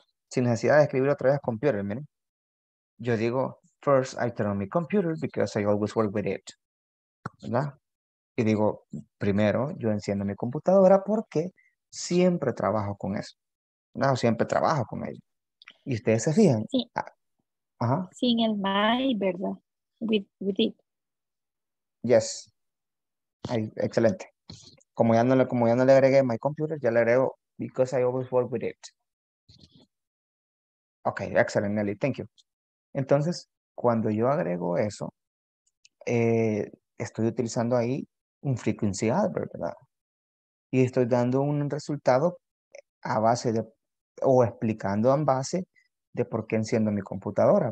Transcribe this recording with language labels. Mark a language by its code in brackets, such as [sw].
[es] Sin necesidad de escribir otra vez computer, miren. Yo digo, [en] first, I turn on my computer because I always work with it. [es] ¿Verdad? Y digo, primero, yo enciendo mi computadora porque siempre trabajo con eso. No, siempre trabajo con ello. ¿Y ustedes se fijan? Sí. Ajá. Sin el my, ¿verdad? [en] With it. Yes. [es] Ay, excelente. Como ya no le agregué my computer, ya le agrego [en] because I always work with it. Okay, excellent, Nelly. Thank you. [es] Entonces, cuando yo agrego eso, estoy utilizando ahí un frequency adverb, ¿verdad? Y estoy dando un resultado a base de, o explicando en base de por qué enciendo mi computadora.